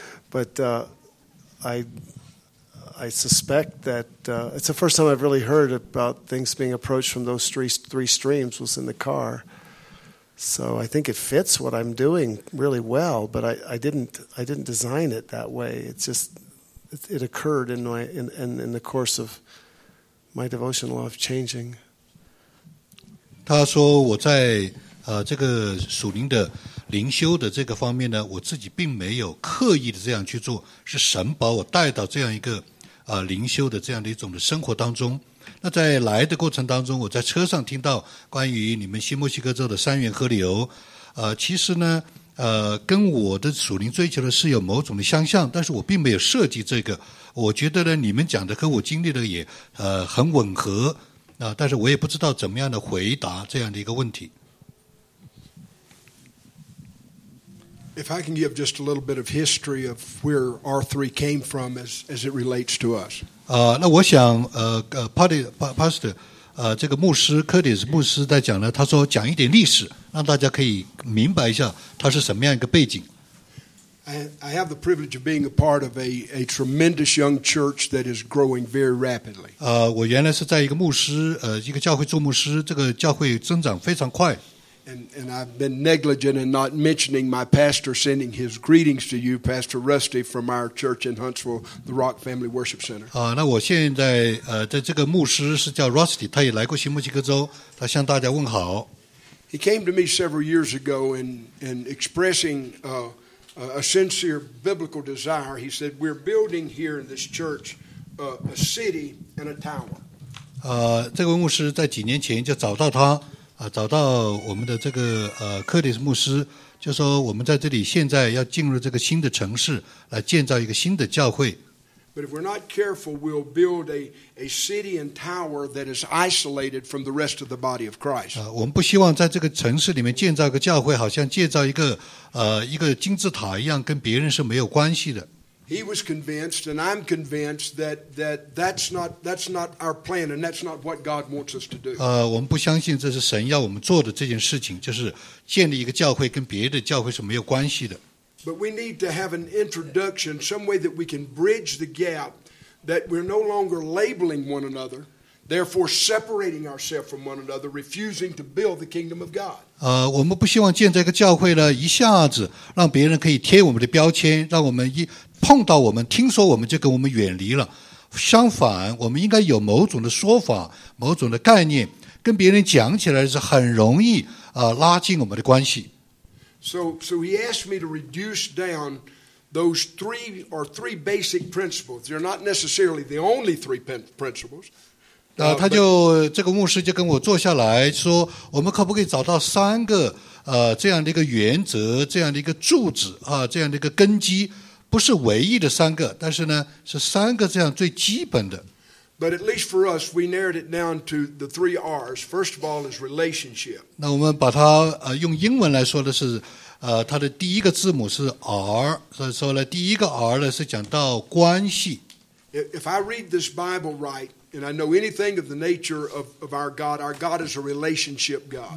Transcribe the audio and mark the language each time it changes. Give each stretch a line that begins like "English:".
English: But I suspect that it's the first time I've really heard about things being approached from those three streams was in the car. So I think it fits what I'm doing really well, but I didn't design it that way. It's just it occurred in the course of my devotional life changing.
Chinese: 他说我在这个属灵的灵修的这个方面呢，我自己并没有刻意的这样去做，是神把我带到这样一个灵修的这样的一种的生活当中。那在来的过程当中，我在车上听到关于你们新墨西哥州的三元河流，其实呢跟我的属灵追求的是有某种的相像，但是我并没有设计这个。我觉得呢你们讲的和我经历的也很吻合但是我也不知道怎么样的回答这样的一个问题。
English: If I can give just a little bit of history of where R3 came from as it relates to us.
Chinese: 那我想Pastor, 这个牧师 Curtis 牧师在讲呢，他说讲一点历史，让大家可以明白一下他是什么样一个背景。
English: I have the privilege of being a part of a tremendous young church that is growing very rapidly.
Chinese: 我原来是在一个牧师一个教会做牧师，这个教会增长非常快。
English: And I've been negligent in not mentioning my pastor sending his greetings to you, Pastor Rusty, from our church in Huntsville, the Rock Family Worship Center.
Chinese: 那我现在在这个牧师是叫 Rusty， 他也来过新墨西哥州，他向大家问好。
English: He came to me several years ago and expressing a sincere biblical desire. He said, "We're building here in this church a city and a tower."
Chinese: 这位牧师在几年前就找到他。找到我们的这个柯里斯牧师，就说我们在这里现在要进入这个新的城市，来建造一个新的教会。
English: But if we're not careful, we'll build a city and tower that is isolated from the rest of the body of Christ.
Chinese: 我们不希望在这个城市里面建造一个教会，好像建造一个金字塔一样，跟别人是没有关系的。
English: He was convinced, and I'm convinced that's not our plan, and that's not what God wants us to do.
Chinese: 我们不相信这是神要我们做的这件事情，就是建立一个教会跟别的教会是没有关系的。
English: But we need to have an introduction, some way that we can bridge the gap, that we're no longer labeling one another, therefore separating ourselves from one another, refusing to build the kingdom of God.
Chinese: 我们不希望建这个教会呢，一下子让别人可以贴我们的标签，让我们一碰到我们听说我们就跟我们远离了，相反我们应该有某种的说法，某种的概念，跟别人讲起来是很容易拉近我们的关系。
English: So he asked me to reduce down those three or three basic principles. They're not necessarily the only three principles.
Chinese: 他就这个牧师就跟我坐下来说，我们可不可以找到三个这样的一个原则，这样的一个柱子这样的一个根基，不是唯一的三个，但是呢是三个这样最基本的。
English: But at least for us, we narrowed it down to the three R's. First of all, is relationship.
Chinese: 那我们把它用英文来说的是它的第一个字母是 R， 所以说呢第一个 R 呢是讲到关系。
English: If I read this Bible right, and I know anything of the nature of our God is a relationship God.